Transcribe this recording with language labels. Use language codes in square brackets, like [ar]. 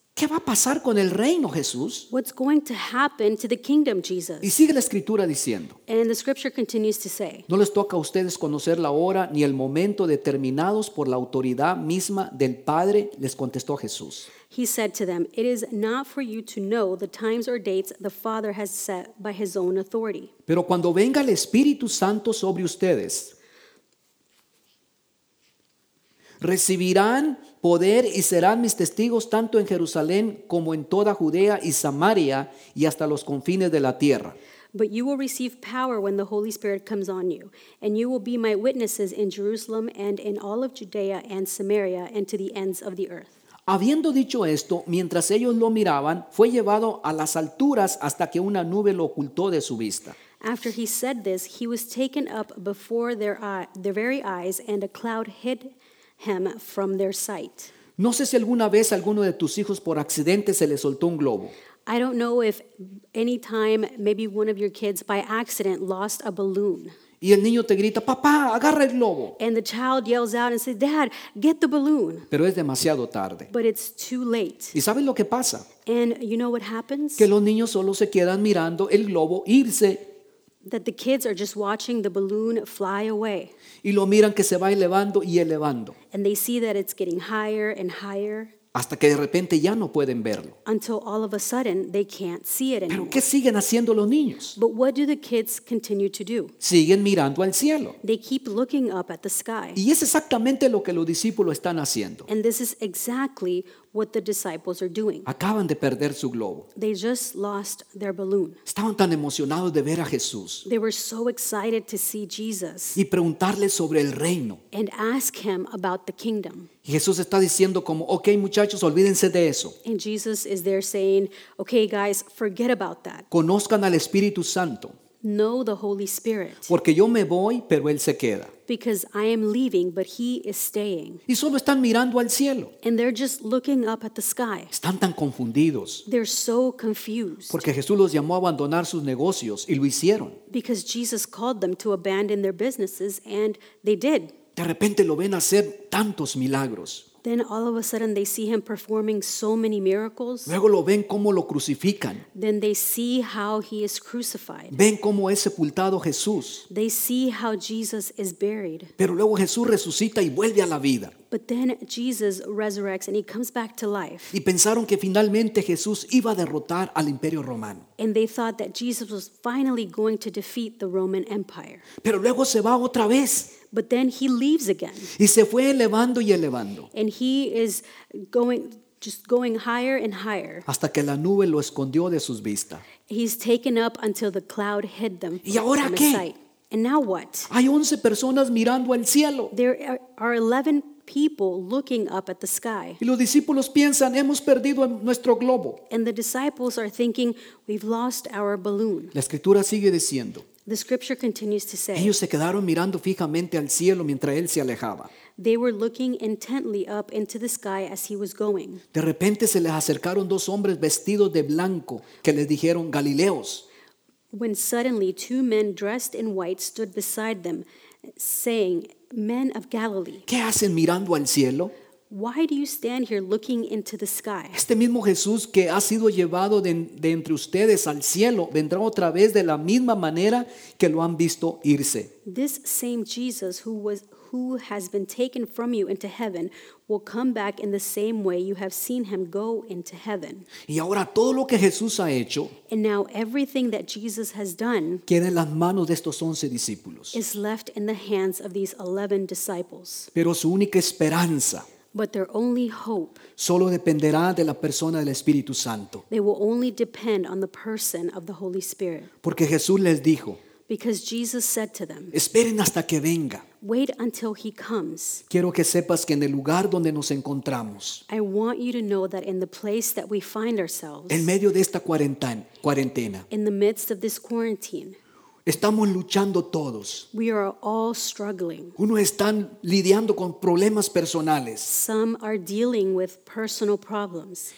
[es] ¿Qué va a pasar con el reino, Jesús? [en] What's going to happen to the kingdom, Jesus? [es] Y sigue la escritura diciendo. [en] And the scripture continues to say. [es] No les toca a ustedes conocer la hora ni el momento determinados por la autoridad misma del Padre, les contestó Jesús. [en] He said to them, it is not for you to know the times or dates the Father has set by his own authority. [es] Pero cuando venga el Espíritu Santo sobre ustedes, recibirán poder y serán mis testigos tanto en Jerusalén como en toda Judea y Samaria y hasta los confines de la tierra. [en] But you will receive power when the Holy Spirit comes on you, and you will be my witnesses in Jerusalem and in all of Judea and Samaria and to the ends of the earth. [es] Habiendo dicho esto, mientras ellos lo miraban, fue llevado a las alturas hasta que una nube lo ocultó de su vista. [en] After he said this, he was taken up before their very eyes, and a cloud hid him from their sight. [es] No sé si alguna vez alguno de tus hijos por accidente se le soltó un globo. [en] I don't know if any time maybe one of your kids by accident lost a balloon. [es] Y el niño te grita, papá, agarra el globo. [en] And the child yells out and says, Dad, get the balloon. [es] Pero es demasiado tarde. [en] But it's too late. [es] ¿Y sabes lo que pasa? [en] And you know what happens? [es] Que los niños solo se quedan mirando el globo irse. [en] That the kids are just watching the balloon fly away. [es] Y lo miran que se va elevando y elevando. [en] And they see that it's getting higher and higher. [es] Hasta que de repente ya no pueden verlo. [en] Until all of a sudden they can't see it anymore. [es] ¿Pero qué siguen haciendo los niños? [en] But what do the kids continue to do? [es] Siguen mirando al cielo. [en] They keep looking up at the sky. [es] Y es exactamente lo que los discípulos están haciendo. [en] And this is exactly what the disciples are doing. [es] Acaban de perder su globo. [en] They just lost their balloon. [es] Estaban tan emocionados de ver a Jesús. [en] They were so excited to see Jesus. [es] Y preguntarle sobre el reino. [en] And ask him about the kingdom. [es] Y Jesús está diciendo como, okay, muchachos, olvídense de eso. [en] And Jesus is there saying, okay, guys, forget about that. [es] Conozcan al Espíritu Santo. [en] Know the Holy Spirit. [es] Porque yo me voy, pero Él se queda. [en] Because I am leaving, but He is staying. [es] Y solo están mirando al cielo. [en] And they're just looking up at the sky. [es] Están tan confundidos. [en] They're so confused. [es] Porque Jesús los llamó a abandonar sus negocios, y lo hicieron. [en] Because Jesus called them to abandon their businesses, and they did. [es] De repente lo ven hacer tantos milagros. [en] Then all of a sudden they see Him performing so many miracles. [es] Luego lo ven cómo lo crucifican. [en] Then they see how He is crucified. [es] Ven cómo es sepultado Jesús. [en] They see how Jesus is buried. [es] Pero luego Jesús resucita y vuelve a la vida. [en] But then Jesus resurrects and He comes back to life. [es] Y pensaron que finalmente Jesús iba a derrotar al Imperio Romano. [en] And they thought that Jesus was finally going to defeat the Roman Empire. [es] Pero luego se va otra vez. [en] But then He leaves again. [es] Y se fue elevando y elevando. [en] And He is going higher and higher. [es] Hasta que la nube lo escondió de sus vistas. [en] He's taken up until the cloud hid them from his sight. [es] ¿Y ahora qué? [en] And now what? [es] Hay 11 personas mirando al cielo. [en] There are 11 people looking up at the sky. [es] Y los discípulos piensan, hemos perdido nuestro globo. [en] And the disciples are thinking, we've lost our balloon. [es] La escritura sigue diciendo. [en] The scripture continues to say. [es] Ellos se quedaron mirando fijamente al cielo mientras él se alejaba. [en] They were looking intently up into the sky as he was going. [es] De repente se les acercaron dos hombres vestidos de blanco que les dijeron, Galileos. [en] When suddenly two men dressed in white stood beside them, saying, Men of Galilee. [es] ¿Qué hacen mirando al cielo? [en] Why do you stand here looking into the sky? [es] Este mismo Jesús que ha sido llevado de entre ustedes al cielo vendrá otra vez de la misma manera que lo han visto irse. [en] This same Jesus who has been taken from you into heaven will come back in the same way you have seen him go into heaven. [es] Y ahora todo lo que Jesús ha hecho, [en] and now everything that Jesus has done, [es] queda en las manos de estos 11 discípulos. [en] Is left in the hands of these 11 disciples. [es] Pero su única esperanza, [en] but their only hope, [es] solo dependerá de la persona del Espíritu Santo. [en] They will only depend on the person of the Holy Spirit. [es] Porque Jesús les dijo, [en] because Jesus said to them, [es] esperen hasta que venga. [en] Wait until he comes. [es] Quiero que sepas que en el lugar donde nos encontramos, [en] I want you to know that in the place that we find ourselves, [es] en medio de esta cuarentena, [en] in the midst of this quarantine, [es] estamos luchando todos. [en] We are all struggling. [es] Unos están lidiando con problemas personales. [en] Some are dealing with personal problems.